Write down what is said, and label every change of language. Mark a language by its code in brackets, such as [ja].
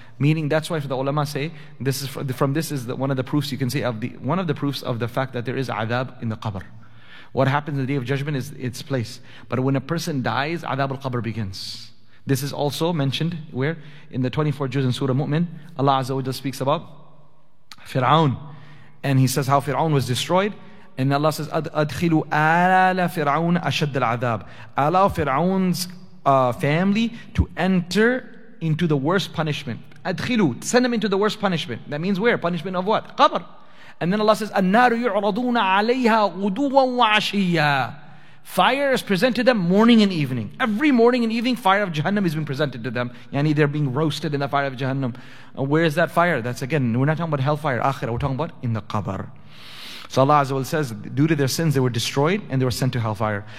[en] Meaning, that's why for the ulama say, this is from this is the, one of the proofs you can say of the one of the proofs of the fact that there is adab in the qabr. What happens in the day of judgment is its place. But when a person dies, adab al-qabr begins. This is also mentioned where in the 24 juz in Surah Mu'min, Allah Azza wa Jalla speaks about Fir'aun, and he says how Fir'aun was destroyed. [ar] And Allah says, أَدْخِلُوا آلَ فِرْعَوْنَ أَشَدَّ الْعَذَابِ. [en] Allow Fir'aun's family to enter into the worst punishment. أَدْخِلُوا, send them into the worst punishment. That means where? Punishment of what? Qabr. [ar] And then Allah says, النَّارُ يُعْرَضُونَ عَلَيْهَا غُدُوًا وَعَشِيًّا. [en] Fire is presented to them morning and evening. Every morning and evening, fire of Jahannam has been presented to them. Yani they're being roasted in the fire of Jahannam. Where is that fire? That's again, we're not talking about hellfire, akhirah. We're talking about in the qabr. So Allah Azza wa Jalla says, due to their sins, they were destroyed and they were sent to hellfire.